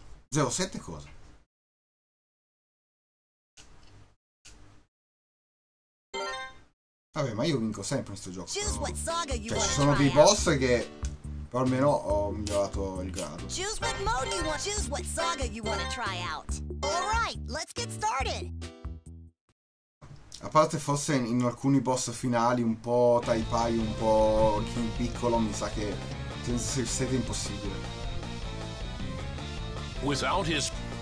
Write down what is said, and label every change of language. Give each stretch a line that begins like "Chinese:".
Italian: 07 cosa? Vabbè, ma io vinco sempre in sto gioco. Cioè, ci sono dei boss che... O almeno ho migliorato il grado.
English: Choose what mode you want. Choose what saga you want to try out. Alright, let's get started.
Italian: A parte forse in alcuni boss finali un po' Taipai, un po' King Piccolo, mi sa che siete impossibile.
English: Without his...